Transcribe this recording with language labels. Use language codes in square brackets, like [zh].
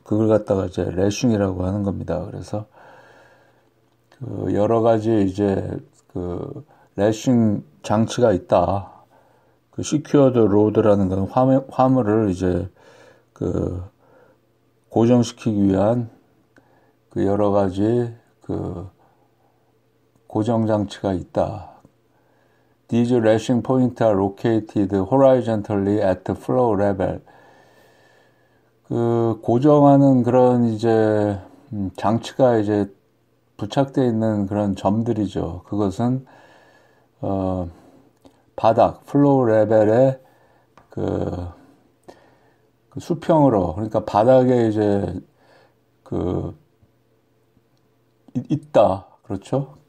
[ko] 그걸 갖다가 이제 래싱이라고 하는 겁니다. 그래서 그 여러 가지 이제 그 래싱 장치가 있다. 그 시큐어드 로드라는 건 화물을 이제 그 고정시키기 위한 그 여러 가지 그 고정장치가 있다. [en] These lashing points are located horizontally at the floor level. [ko] 그 고정하는 그런 이제 장치가 이제 부착되어 있는 그런 점들이죠. 그것은, 바닥, floor level에 그 수평으로, 그러니까 바닥에 이제, 그, 있다. 그렇죠?